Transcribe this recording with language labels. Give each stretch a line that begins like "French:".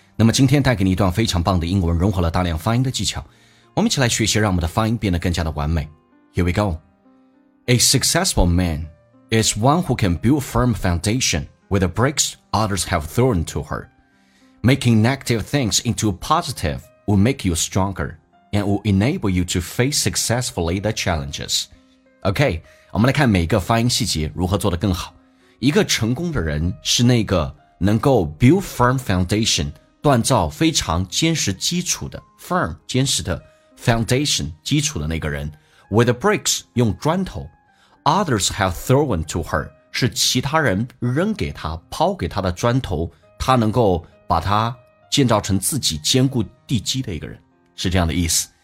Chinese: 那么今天带给你一段非常棒的英文，融合了大量发音的技巧，我们一起来学习，让我们的发音变得更加的完美。
English: Here we go. A successful man is one who can build firm foundation with the bricks others have thrown to her. Making negative things into positive will make you stronger and will enable you to face successfully the challenges.
Chinese: OK, 我们来看每一个发音细节如何做得更好。一个成功的人是那个能够
English: build firm foundation,
Chinese: 锻造非常坚实基础的 firm, 坚实的 foundation, 基础的那个人。
English: With the bricks,
Chinese: 用砖头。
English: Others have thrown to her,
Chinese: 是其他人扔给他抛给他的砖头，他能够把它建造成自己坚固地基的一个人。是这样的意思。